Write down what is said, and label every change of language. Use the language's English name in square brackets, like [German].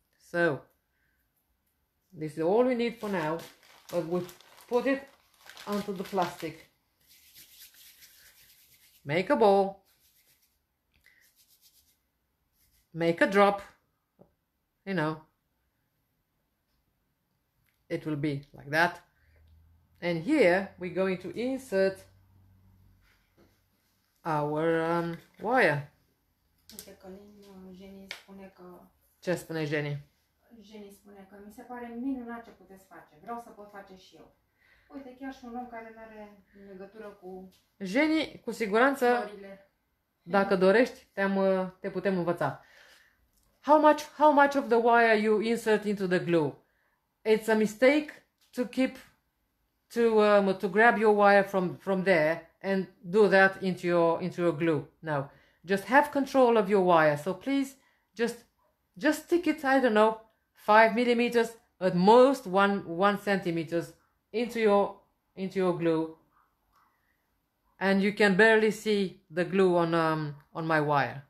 [English] So this is all we need for now, but we put it onto the plastic, make a ball, make a drop, you know, it will be like that. And here we're going to insert our wire. [Romanian] Uite, Colin, Jenny spune că... Ce spune Jenny? Jenny spune că mi se pare minunat ce puteți face. Vreau să pot face și eu. Uite, chiar și un om care nu are legătură cu... Jenny, cu siguranță, florile. Dacă dorești, te putem învăța. [English] How much of the wire you insert into the glue? It's a mistake to keep to grab your wire from there and do that into your glue. No, just have control of your wire. So please just stick it, I don't know, 5 millimeters at most, one centimeters into your glue, and you can barely see the glue on my wire.